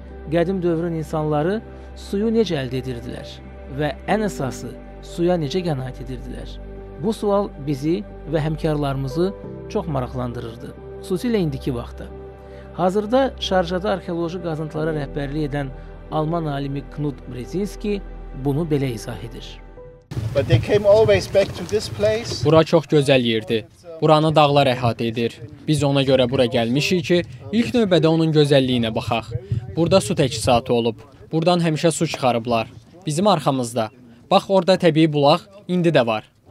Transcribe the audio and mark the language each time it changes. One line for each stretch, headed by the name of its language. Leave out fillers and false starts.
Azerbaijani: Qədim dövrün insanları suyu necə əldə edirdilər və ən əsası suya necə qənaət edirdilər? Bu sual bizi və həmkarlarımızı çox maraqlandırırdı, xüsusilə indiki vaxtda. Hazırda Şarjada arxeoloji qazıntılara rəhbərlik edən Alman alimi Knud Brzezinski bunu belə izah edir.
English: But they came always back to this place.
Azerbaijani: Bura çox gözəl yerdi. Buranı dağlar əhatə edir. Biz ona görə bura gəlmişik ki, ilk növbədə onun gözəlliyinə baxaq. Burada su təchizatı olub. Burdan həmişə su çıxarıblar. Bizim arxamızda. Bax, orada təbii bulaq indi də var.